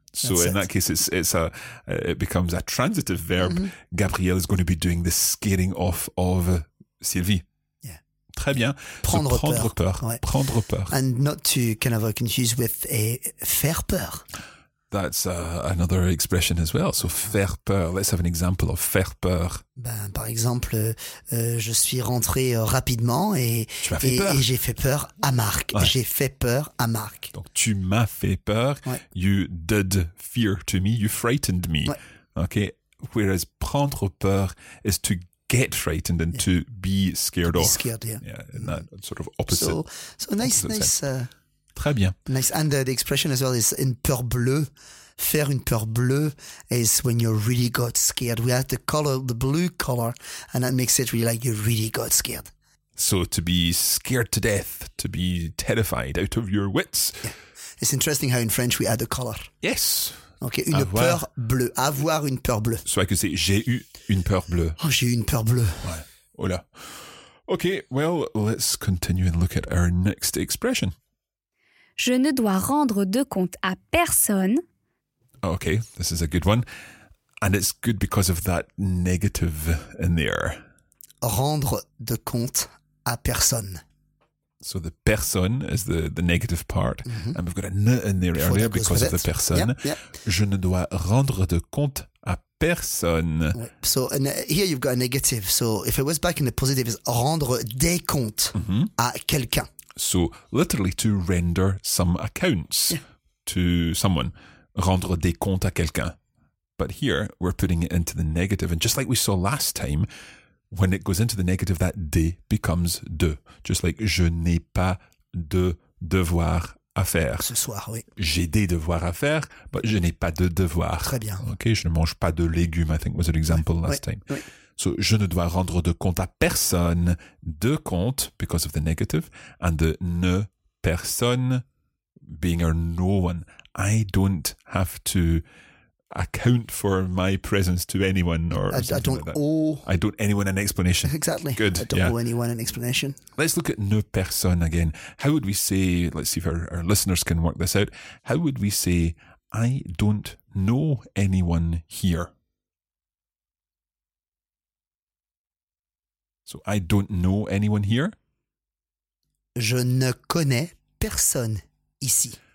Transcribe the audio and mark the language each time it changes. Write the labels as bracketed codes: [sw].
[en] So in that case, it becomes a transitive verb. Mm-hmm. Gabriel is going to be doing the scaring off of Sylvie. [fr] Très bien. [en] Prendre peur. And not to kind of confuse with a faire peur. That's another expression as well. So faire peur. Let's have an example of faire peur. [fr] Ben, par exemple, je suis rentré rapidement et j'ai fait peur à Marc. Ouais. J'ai fait peur à Marc. Donc tu m'as fait peur. Ouais. [en] You did fear to me. You frightened me. [fr] Ouais. [en] Okay. Whereas prendre peur is to get frightened and to be scared off. Sort of opposite. So nice. [fr] Très bien. [en] Nice. And the expression as well is une peur bleue. [fr] Faire une peur bleue [en] is when you really got scared. We had the color, the blue color, and that makes it really like you really got scared. So to be scared to death, to be terrified, out of your wits. Yeah. It's interesting how in French we add the color. Yes. [fr] Okay, une peur bleue. Avoir une peur bleue. [en] So I could say, [fr] j'ai eu une peur bleue. Oh, j'ai eu une peur bleue. Ouais. Oh là. [en] Okay, well, let's continue and look at our next expression. [fr] Je ne dois rendre de compte à personne. [en] Okay, this is a good one. And it's good because of that negative in there. [fr] Rendre de compte à personne. [en] So the personne is the negative part. Mm-hmm. And we've got a ne in there earlier because of the personne. Yeah, yeah. [fr] Je ne dois rendre de compte à personne. [en] Right. So and here you've got a negative. So if it was back in the positive, it's [fr] rendre des comptes à quelqu'un. [en] So literally to render some accounts to someone. [fr] Rendre des comptes à quelqu'un. [en] But here we're putting it into the negative. And just like we saw last time, when it goes into the negative, that « de » becomes « de ». Just like [fr] « je n'ai pas de devoir à faire ». Ce soir, oui. J'ai des devoirs à faire, but je n'ai pas de devoir. Très bien. [en] Okay, [fr] je ne mange pas de légumes, [en] I think was an example last time. [fr] Oui. So « je ne dois rendre de compte à personne ». [en] De compte, because of the negative, and the « ne personne » being or « no one ». I don't have to account for my presence to anyone or I don't like owe I don't anyone an explanation. Exactly. Good. I don't owe anyone an explanation. Let's look at ne personne again. How would we say, let's see if our listeners can work this out. How would we say, I don't know anyone here? So I don't know anyone here. [fr] Je ne connais personne ici.